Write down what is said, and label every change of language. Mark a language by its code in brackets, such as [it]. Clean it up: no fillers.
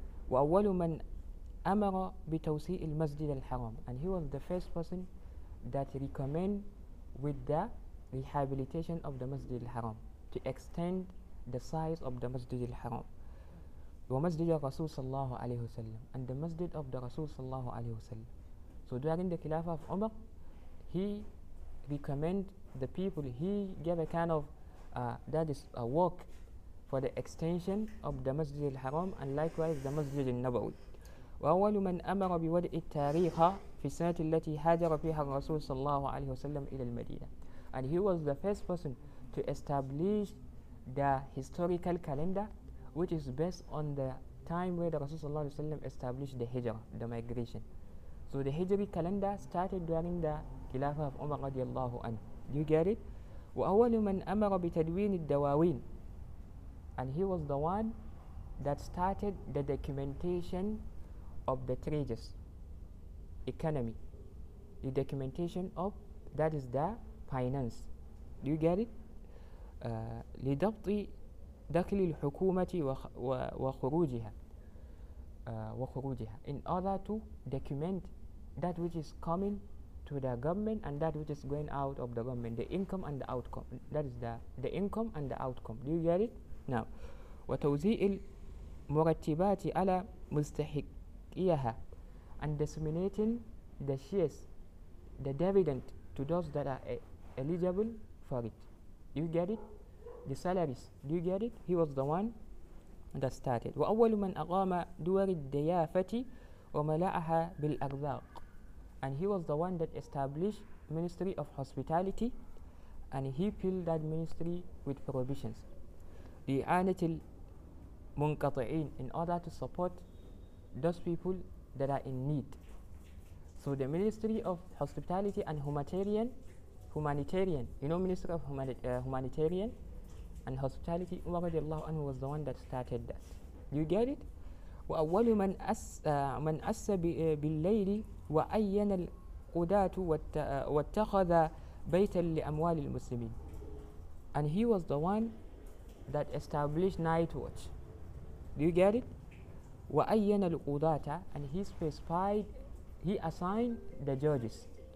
[ar] وأول من أمر بتوسيع المسجد الحرام. [en] And he was the first person that recommend with the rehabilitation of the Masjid al-Haram, to extend the size of the Masjid al-Haram. [ar] ومسجد الرسول صلى الله عليه وسلم. [en] And the Masjid of the Rasul صلى الله عليه وسلم. So during the Khilafah of Umar, he recommend the people, he gave a kind of, that is a work for the extension of the Masjid al-Haram and likewise the Masjid al-Nabawi. [ar] وأول من أمر بوضع التاريخ في السنة التي هاجر فيها الرسول صلى الله عليه وسلم إلى المدينة. [en] And he was the first person to establish the historical calendar, which is based on the time where the Rasul صلى الله عليه وسلم established the Hijrah, the migration. So the Hijri calendar started during the Khilafah of Umar رضي الله عنه. Do you get it? [ar] وأول من أمر بتدوين الدواوين. [en] And he was the one that started the documentation of the trade's economy, the documentation of, that is the finance. Do you get it? [ar] لضبط دخل الحكومة وخروجها وخروجها. [en] In order to document that which is coming to the government and that which is going out of the government, the income and the outcome. That is the income and the outcome. Do you get it? Now, [ar] وتوزيع المرتبات على مستحقيها, [en] and disseminating the shares, the dividend, to those that are eligible for it. You get it? The salaries. Do you get it? He was the one that started. [ar] وأول من أقام دور الضيافة وملأها بالأرزاق. [en] And he was the one that established Ministry of Hospitality, and he filled that ministry with provisions. [ar] لإعانة المنقطعين, [en] in order to support those people that are in need. So the Ministry of Hospitality and Humanitarian, you know, Ministry of Humanitarian and Hospitality, Umar رضي الله عنه was the one that started that. You get it? [ar] وأول من أس بالليل وأين القداة واتخذ بيتا لأموال المسلمين. [en] And he was the one that established night watch. Do you get it? [ar] وأين القداة, [en] and he specified, he assigned the judges.